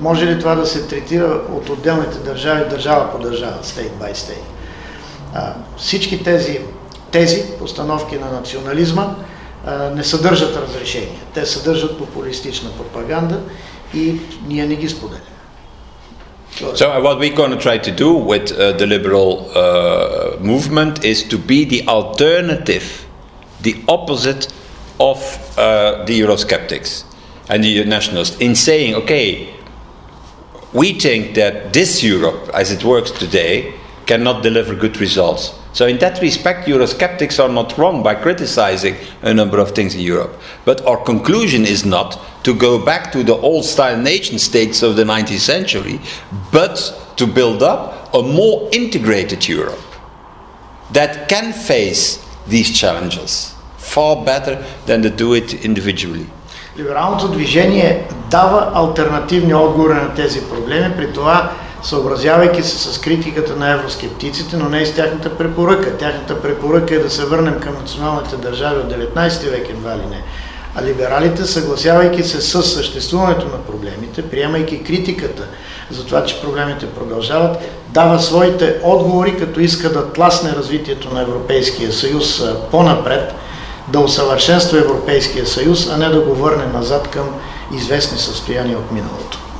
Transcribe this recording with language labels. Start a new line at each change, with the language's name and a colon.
Bulgarian: Може ли това да се третира от отделните държави, държава по държава,
English: state by state?
Bulgarian: Всички тези постановки на национализма не съдържат разрешения. Те съдържат популистична пропаганда и ние не ги споделяме.
English: So what we're going to try to do with the liberal movement is to be the alternative, the opposite of the Eurosceptics and the nationalists, in saying, okay, we think that this Europe, as it works today, cannot deliver good results. So in that respect, Eurosceptics are not wrong by criticizing a number of things in Europe. But our conclusion is not to go back to the old-style nation states of the 19th century, but to build up a more integrated Europe that can face these challenges far better than to do it individually.
Bulgarian: Либералното движение дава алтернативни отговори на тези проблеми, при това съобразявайки се с критиката на евроскептиците, но не и с тяхната препоръка. Тяхната препоръка е да се върнем към националните държави от 19 век, едва ли не. А либералите, съгласявайки се с съществуването на проблемите, приемайки критиката за това, че проблемите продължават, дава своите отговори, като иска да тласне развитието на Европейския съюз по-напред, да усъвършенства Европейския съюз, а не да го върне назад към известни състояния от миналото.